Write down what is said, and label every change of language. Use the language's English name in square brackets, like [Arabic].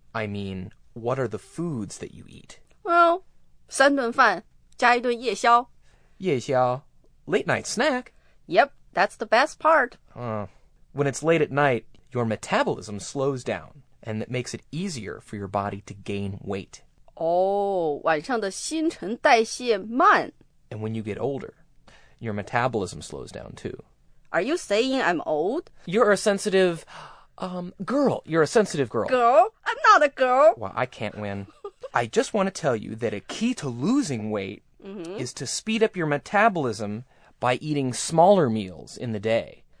[English] I mean, what are the foods that you eat? [Chinese] Well, 三顿饭加一顿夜宵。夜宵, [English] late night snack. Yep, that's the best part. When it's late at night, your metabolism slows down, and it makes it easier for your body to gain weight. [Chinese] Oh, 晚上的新陈代谢慢. [English] And when you get older, your metabolism slows down too. Are you saying I'm old? You're a sensitive, girl. You're a sensitive girl. Girl? I'm not a girl. Well, I can't win. I just want to tell you that a key to losing weight Mm-hmm. is to speed up your metabolism by eating smaller meals in the day.